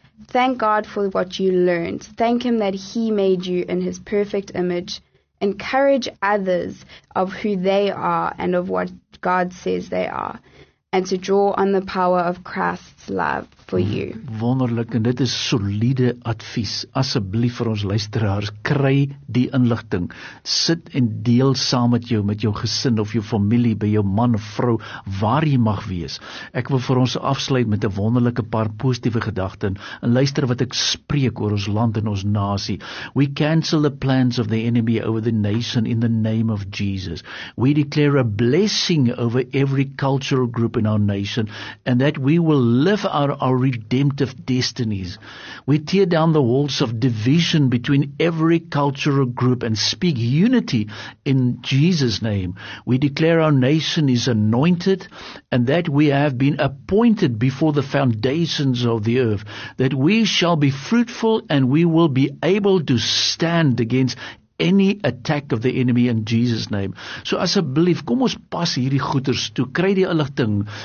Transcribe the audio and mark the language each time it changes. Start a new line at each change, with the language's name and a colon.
English: Thank God for what you learned. Thank Him that He made you in His perfect image. Encourage others of who they are and of what God says they are. And to draw on the power of Christ's love for you.
Afrikaans: Wonderlik, en dit is solide advies. Asseblief vir ons luisteraars, kry die inligting. Sit en deel saam met jou gesin of jou familie, by jou man of vrou, waar jy mag wees. Ek wil vir ons afsluit met 'n wonderlike paar positiewe gedagte en luister wat ek spreek oor ons land en ons nasie.
English: We cancel the plans of the enemy over the nation in the name of Jesus. We declare a blessing over every cultural group in our nation, and that we will live out our redemptive destinies. We tear down the walls of division between every cultural group and speak unity in Jesus' name. We declare our nation is anointed and that we have been appointed before the foundations of the earth, that we shall be fruitful and we will be able to stand against any attack of the enemy in Jesus' name.
Afrikaans: So asseblief, kom ons pas hierdie goeders toe, kry die inligting.